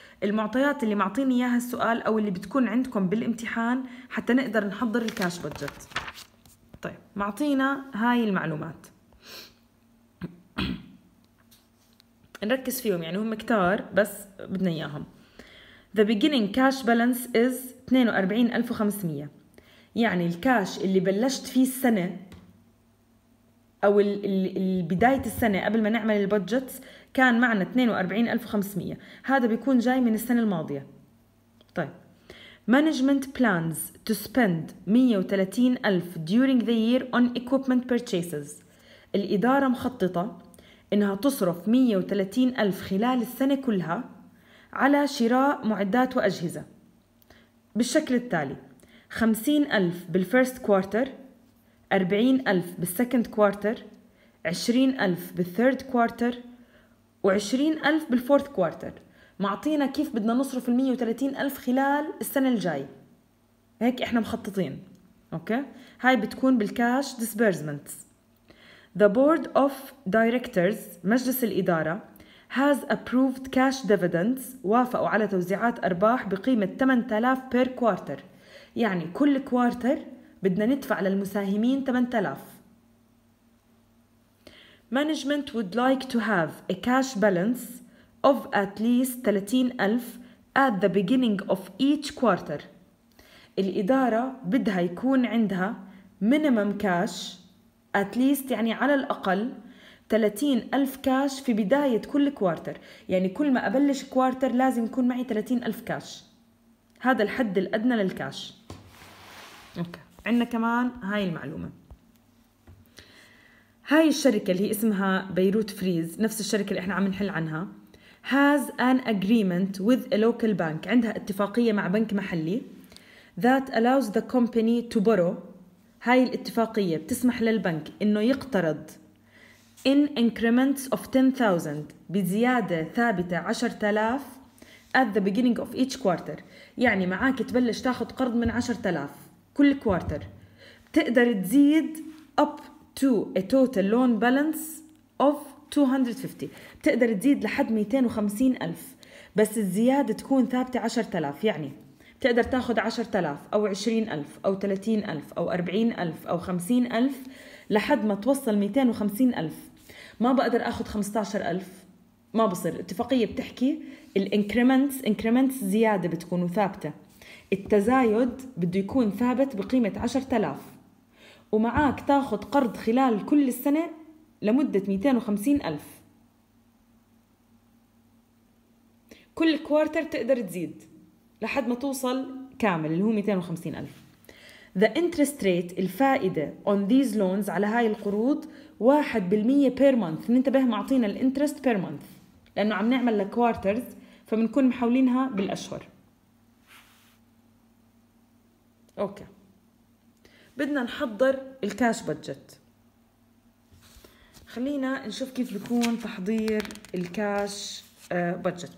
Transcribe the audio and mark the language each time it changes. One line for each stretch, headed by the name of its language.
Arabic: المعطيات اللي معطيني إياها السؤال أو اللي بتكون عندكم بالامتحان حتى نقدر نحضر الكاش بودجت. طيب معطينا هاي المعلومات نركز فيهم، يعني هم كتار بس بدنا إياهم.
English: The beginning cash balance is 42,500.
Arabic: يعني الكاش اللي بلشت فيه السنة أو البداية السنة قبل ما نعمل البادجت كان معنا 42,500. هذا بيكون جاي من السنة الماضية. طيب
English: management plans to spend 130,000 during the year on equipment purchases.
Arabic: الإدارة مخططة إنها تصرف 130,000 خلال السنة كلها على شراء معدات وأجهزة بالشكل التالي: 50,000 بالفيرست كوارتر، 40,000 بالسكند كوارتر، 20,000 بالثيرد كوارتر، و20,000 بالفورث كوارتر. معطينا كيف بدنا نصرف 130,000 خلال السنة الجاي، هيك احنا مخططين. أوكي؟ هاي بتكون بالكاش ديسبيرزمنت.
English: The board of directors،
Arabic: مجلس الإدارة،
English: has approved cash dividends،
Arabic: وافقوا على توزيعات أرباح بقيمة
English: 8,000 per quarter.
Arabic: يعني كل كوارتر بدنا ندفع للمساهمين 8,000.
English: Management would like to have a cash balance of at least 30,000 at the beginning of each quarter.
Arabic: الإدارة بدها يكون عندها
English: minimum cash at least،
Arabic: يعني على الأقل 30,000 كاش في بداية كل كوارتر. يعني كل ما أبلش كوارتر لازم يكون معي 30,000 كاش، هذا الحد الأدنى للكاش. أوكي. عندنا كمان هاي المعلومة، هاي الشركة اللي هي اسمها بيروت فريز، نفس الشركة اللي احنا عم نحل عنها،
English: has an agreement with a local bank،
Arabic: عندها اتفاقية مع بنك محلي
English: that allows the company to borrow.
Arabic: هاي الاتفاقية بتسمح للبنك انه يقترض
English: in increments of 10,000،
Arabic: بزيادة ثابتة 10,000
English: at the beginning of each quarter.
Arabic: يعني معاك تبلش تاخد قرض من 10,000 كل quarter، تقدر تزيد
English: up to a total loan balance of 250،
Arabic: تقدر تزيد لحد 250,000، بس الزيادة تكون ثابتة 10,000. يعني تقدر تاخد 10,000 أو 20,000 أو 30,000 أو 40,000 أو 50,000 لحد ما توصل 250,000. ما بقدر أخذ 15,000، ما بصير. الاتفاقية بتحكي الانكريمنتس، انكريمنتس زيادة بتكون ثابتة، التزايد بده يكون ثابت بقيمة 10,000، ومعاك تأخذ قرض خلال كل السنة لمدة 250,000. كل كوارتر تقدر تزيد لحد ما توصل كامل اللي هو 250,000.
English: The interest rate،
Arabic: الفائدة
English: on these loans،
Arabic: على هاي القروض
English: 1% per month.
Arabic: ننتبه معطينا الانترست
English: per month
Arabic: لأنه عم نعمل لكوارترز فبنكون محاولينها بالأشهر. أوكي. بدنا نحضر الكاش بادجت. خلينا نشوف كيف بيكون تحضير الكاش بادجت.